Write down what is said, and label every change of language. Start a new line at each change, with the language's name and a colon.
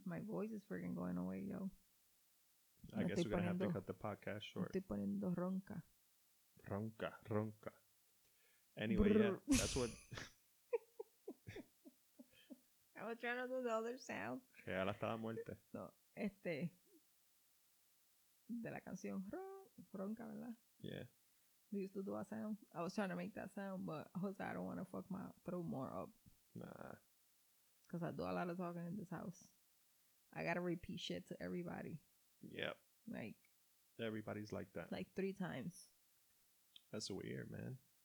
English: My voice is freaking going away, yo. I guess we're going to have to cut the podcast short.
Spanish: Estoy poniendo ronca. Ronca, ronca.
English: Anyway, yeah, that's what... I was trying to do the other sound.
Spanish: Que ya la estaba muerta. No, este... De la canción ronca, ¿verdad?
English: Yeah. We used to do a sound. I was trying to make that sound, but Jose, I don't want to fuck my throat more up. Nah. Because I do a lot of talking in this house. I got to repeat shit to everybody. Yep. Like. Everybody's like that. Like 3 times. That's weird, man.